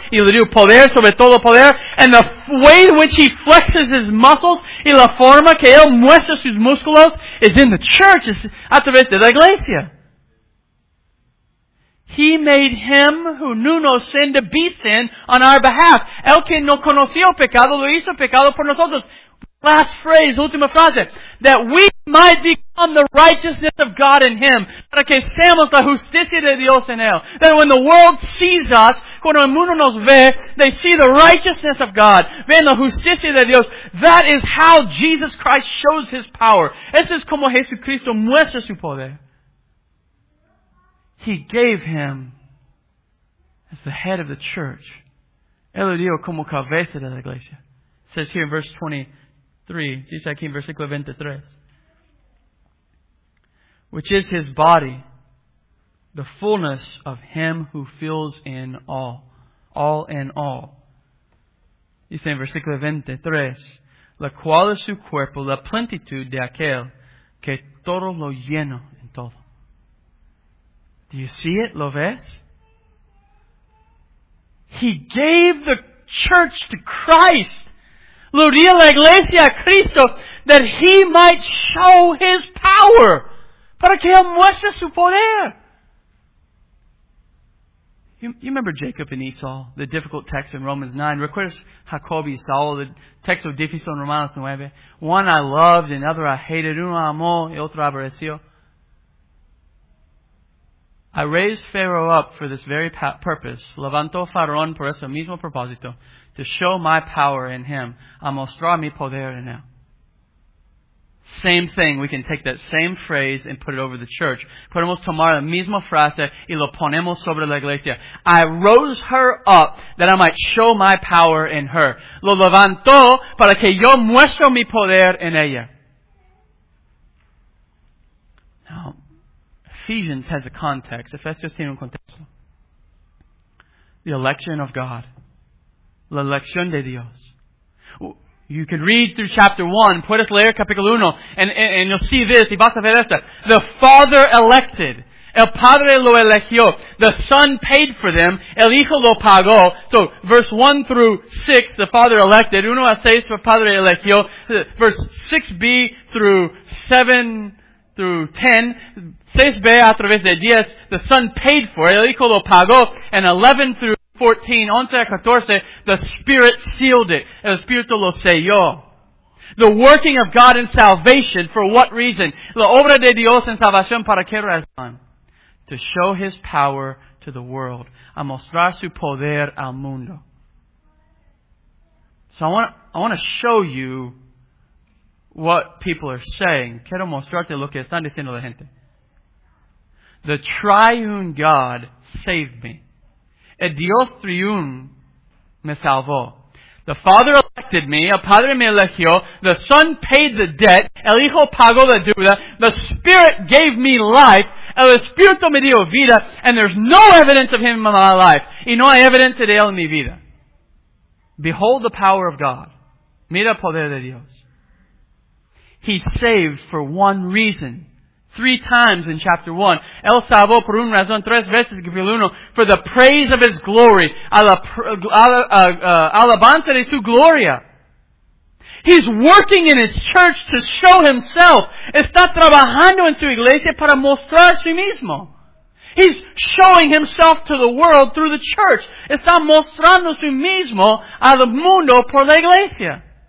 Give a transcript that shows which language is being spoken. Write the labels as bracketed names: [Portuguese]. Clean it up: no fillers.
[Spanish] Y le dio poder sobre todo poder. [English] And the way in which he flexes his muscles [Spanish] y la forma que él muestra sus músculos [English] is in the church, is [Spanish] a través de la iglesia. [English] He made him who knew no sin to be sin on our behalf. [Spanish] El que no conoció pecado lo hizo pecado por nosotros. [English] Last phrase, [Spanish] última frase. [English] That we might become the righteousness of God in Him. [Spanish] Para que seamos la justicia de Dios en Él. [English] That when the world sees us, [Spanish] cuando el mundo nos ve, [English] they see the righteousness of God. [Spanish] Ven la justicia de Dios. [English] That is how Jesus Christ shows His power. [Spanish] Eso es como Jesucristo muestra su poder. [English] He gave Him as the head of the church. [Spanish] Él lo dio como cabeza de la iglesia. [English] It says here in verse 20, [Spanish] dice aquí en versículo 23. [English] Which is his body, the fullness of him who fills in all. All in all. [Spanish] Dice en versículo 23. La cual es su cuerpo, la plenitud de aquel que todo lo lleno en todo. [English] Do you see it? [Spanish] ¿Lo ves? [English] He gave the church to Christ. [Spanish] Lo dio la iglesia a Cristo, [English] that he might show his power, [Spanish] para que él muestre su poder. [English] You remember Jacob and Esau, the difficult text in Romans 9. [Spanish] Recuerdas Jacob y Esau, [English] the text of [Spanish] difícil en Romanos 9. [English] One I loved, and another I hated. [Spanish] Uno amó, y otro aborreció. [English] I raised Pharaoh up for this very purpose. [Spanish] Levantó Faraón por ese mismo propósito. [English] To show my power in him. [Spanish] A mostrar mi poder en él. [English] Same thing. We can take that same phrase and put it over the church. [Spanish] Podemos tomar la misma frase y lo ponemos sobre la iglesia. [English] I rose her up that I might show my power in her. [Spanish] Lo levantó para que yo muestre mi poder en ella. [English] Now, Ephesians has a context. [Spanish] Efesios tiene un contexto. [English] The election of God. [Spanish] La elección de Dios. [English] You can read through chapter 1. [Spanish] Puedes leer capítulo 1. [English] And you'll see this. [Spanish] Y vas a ver esta. The Father elected. El Padre lo eligió. [English] The Son paid for them. [Spanish] El Hijo lo pagó. [English] So, verse 1 through 6, the Father elected. [Spanish] 1 a 6, el Padre eligió. [English] Verse 6b through 7 through 10. [Spanish] 6b a través de 10. [English] The Son paid for it. [Spanish] El Hijo lo pagó. [English] And 11 through 14, 11 a 14, the Spirit sealed it. [Spanish] El Espíritu lo selló. [English] The working of God in salvation, for what reason? [Spanish] La obra de Dios en salvación, ¿para qué razón? [English] To show His power to the world. [Spanish] A mostrar su poder al mundo. [English] So I want to show you what people are saying. [Spanish] Quiero mostrarte lo que están diciendo la gente. [English] The triune God saved me. [Spanish] El Dios triune me salvó. [English] The Father elected me. [Spanish] El Padre me eligió. [English] The Son paid the debt. [Spanish] El Hijo pagó la deuda. [English] The Spirit gave me life. [Spanish] El Espíritu me dio vida. [English] And there's no evidence of Him in my life. [Spanish] Y no hay evidencia de Él en mi vida. [English] Behold the power of God. [Spanish] Mira el poder de Dios. [English] He saved for one reason. Three times in chapter 1. [Spanish] El salvó por una razón. Tres veces, capítulo 1. [English] For the praise of His glory. [Spanish] Alabanza de su gloria. [English] He's working in His church to show Himself. [Spanish] Está trabajando en su iglesia para mostrar a sí mismo. [English] He's showing Himself to the world through the church. [Spanish] Está mostrando a sí mismo al mundo por la iglesia.